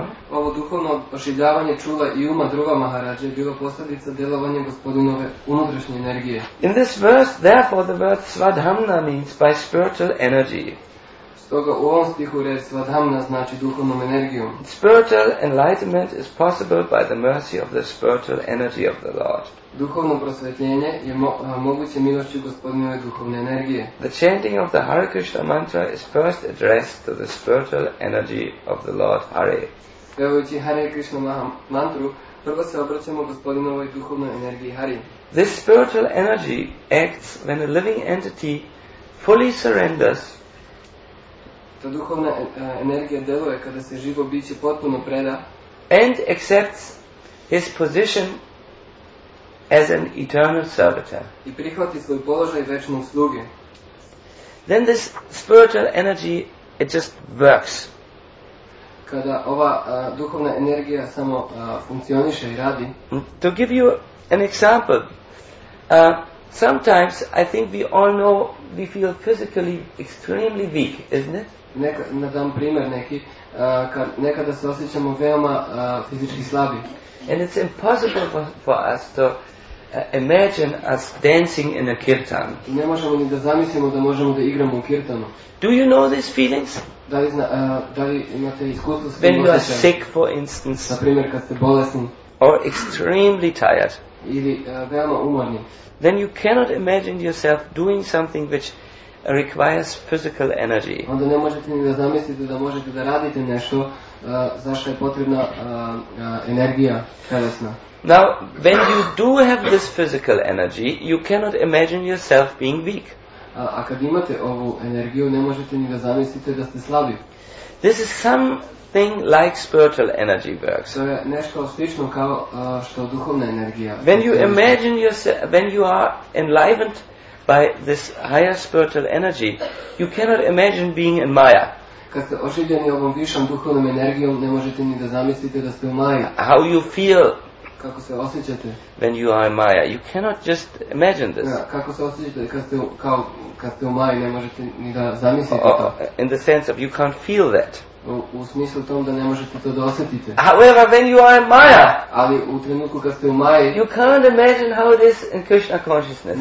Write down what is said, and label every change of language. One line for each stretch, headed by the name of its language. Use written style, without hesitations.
Serbian: Ovo duhovno oživljavanje čula I uma Dhruva Maharaja je bilo posljedica djelovanja gospodinove unutrašnje energije.
English: In this verse, therefore, the word svadhamna means by spiritual energy.
Serbian: Stoga u ovom stihu reč svadhamna znači duhovnom energijom.
English: Spiritual enlightenment is possible by the mercy of the spiritual energy of the Lord.
Serbian: Duhovno prosvjetljenje je moguće milošću gospodinove duhovne energije.
English: The chanting of the Hare Krishna mantra is first addressed to the spiritual energy of the Lord Hare.
Serbian: Pevajući Hare Krishna mantru, prvo se obraćamo gospodinovoj duhovnoj energiji Hari.
English: This spiritual energy acts when a living entity fully surrenders.
Serbian: Ta duhovna energija deluje kada se živo biće potpuno preda.
English: And accepts his position as an eternal servitor.
Serbian: I prihvati svoj položaj večnog sluge.
English: Then this spiritual energy, it just works.
Serbian: Kada ova duhovna energija samo funkcioniše I radi.
English: To give you an example. Sometimes I think we all know we feel physically extremely weak, isn't it?
Serbian: Na dam primjer neki, nekada se osjećamo veoma fizički slabi.
English: And it's impossible for us to imagine us dancing in a kirtan.
Serbian: Ne možemo ni da zamislimo da možemo da igramo u kirtanu.
English: Do you know these feelings?
Serbian: Da li imate iskustvo s tim osjećajem?
English: When you are sick, for instance.
Serbian: Na primjer, kad ste bolesni.
English: Or extremely tired.
Serbian: ili veoma umorni,
English: then you cannot imagine yourself doing something which requires physical energy.
Serbian: Onda ne možete ni da zamislite da možete da radite nešto za što je potrebna energija telesna.
English: Now, when you do have this physical energy, you cannot imagine yourself being weak.
Serbian: A kad imate ovu energiju, ne možete ni da zamislite da ste slabi.
English: This is something like spiritual energy works.
Serbian: To je nešto slično kao što duhovna energija.
English: When you imagine yourself, when you are enlivened by this higher spiritual energy, you cannot imagine being in Maya.
Serbian: Kad ste oživljeni ovom višom duhovnom energijom, ne možete ni da zamislite da ste u Maya.
English: How you feel?
Serbian: Kako se osjećate?
English: When you are in Maya, you cannot just imagine this.
Serbian: Ja, kako se osjećate kad ste kao kad ste u Maya, ne možete ni da zamislite to.
English: In the sense of you can't feel that.
Serbian: U smislu tom da ne možete to da osjetite.
English: However, when you are in Maya,
Serbian: ali u trenutku kad ste u Maya,
English: you can't imagine how it is in Krishna consciousness.